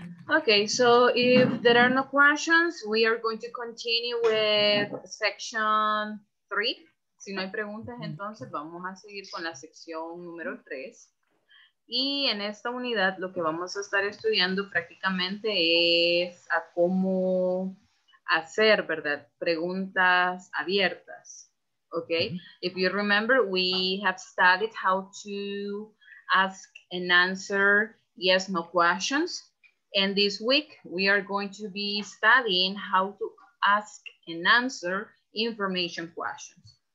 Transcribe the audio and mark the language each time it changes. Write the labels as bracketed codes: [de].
[en] Okay, so if there are no questions, we are going to continue with section 3. [es] Si no hay preguntas, entonces vamos a seguir con la sección número 3. Y en esta unidad lo que vamos a estar estudiando prácticamente es a cómo hacer, ¿verdad? Preguntas abiertas. [en] Okay, if you remember, we have studied how to ask and answer yes, no questions. And this week, we are going to be studying how to ask and answer information questions.